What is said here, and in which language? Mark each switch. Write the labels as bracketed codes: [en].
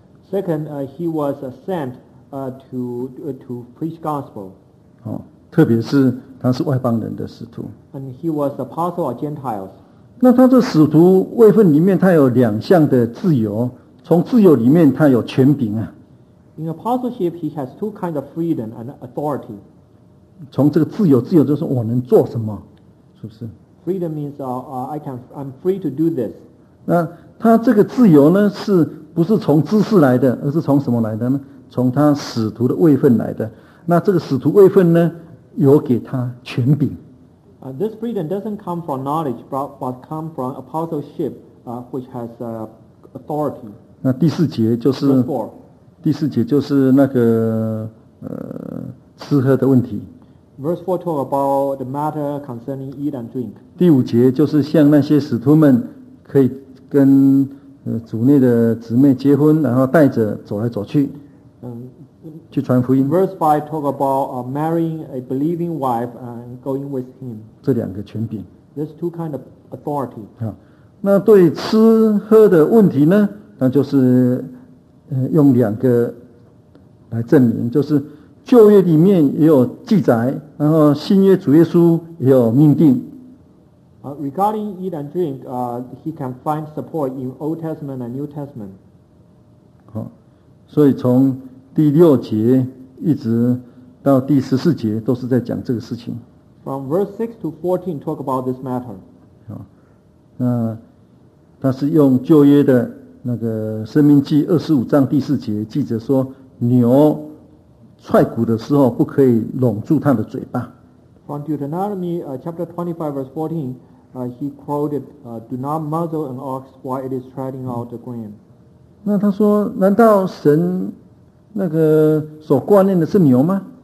[en] Second, he was sent to preach gospel. [zh] 哦，特别是他是外邦人的使徒。 [en] And he was apostle of Gentiles. [zh] 那他这使徒位份里面，他有两项的自由。从自由里面，他有权柄啊。 [en] In apostleship, he has two kinds of freedom and authority. [zh] 从这个自由，自由就是我能做什么，是不是 [en] ？Freedom means I'm free to do this. [zh] 那他这个自由呢，是不是从知识来的，而是从什么来的呢？从他使徒的位份来的。那这个使徒位份呢，有给他权柄。 [en] This freedom doesn't come from knowledge, but come from apostleship, which has authority. [zh] 那第四节就是第四节就是那个吃喝的问题。 [en] Verse 4 talk about the matter concerning eat and drink. [zh] 第五节就是像那些使徒们可以跟主内的姊妹结婚，然后带着走来走去，去传福音。 [en] Verse 5 talk about marrying a believing wife and going with him. [zh] 这两个权柄。 [en] There's two kind of authority. [zh] 那对吃喝的问题呢，那就是用两个来证明，就是旧约里面也有记载，然后新约主耶稣也有命定。 [en] Regarding eat and drink, he can find support in Old Testament and New Testament. [zh] 好，所以从第六节一直到第十四节都是在讲这个事情。 [en] From verse 6 to 14 talk about this matter. [zh] 好，那他是用旧约的那个《申命记》二十五章第四节记着说，牛踹骨的时候不可以拢住它的嘴巴。 [en] from Deuteronomy chapter 25 verse 14, he quoted, do not muzzle an ox while it is treading out the grain. [zh] 那他说难道神那个所挂念的是牛吗？